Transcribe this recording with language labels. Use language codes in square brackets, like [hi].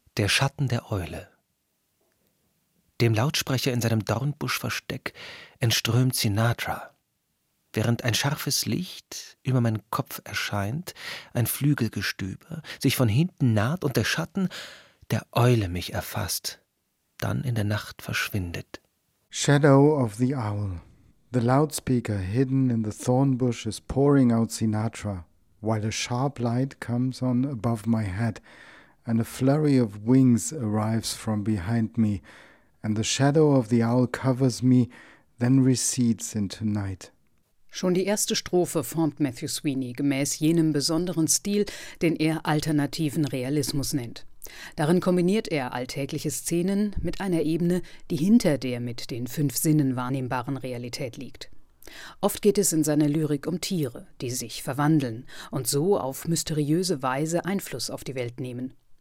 [de] Der Schatten der Eule. Dem Lautsprecher in seinem Dornbuschversteck entströmt Sinatra. Während ein scharfes Licht über meinen Kopf erscheint, ein Flügelgestöber sich von hinten naht und der Schatten der Eule mich erfasst, dann in der Nacht verschwindet. [en] Shadow of the Owl. The loudspeaker hidden in the thornbush is pouring out Sinatra, while a sharp light comes on above my head and a flurry of wings arrives from behind me and the shadow of the owl covers me, then recedes into night. [de] Schon die erste Strophe formt Matthew Sweeney gemäß jenem besonderen Stil, den er alternativen Realismus nennt. Darin kombiniert er alltägliche Szenen mit einer Ebene, die hinter der mit den fünf Sinnen wahrnehmbaren Realität liegt. Oft geht es in seiner Lyrik um Tiere, die sich verwandeln und so auf mysteriöse Weise Einfluss auf die Welt nehmen.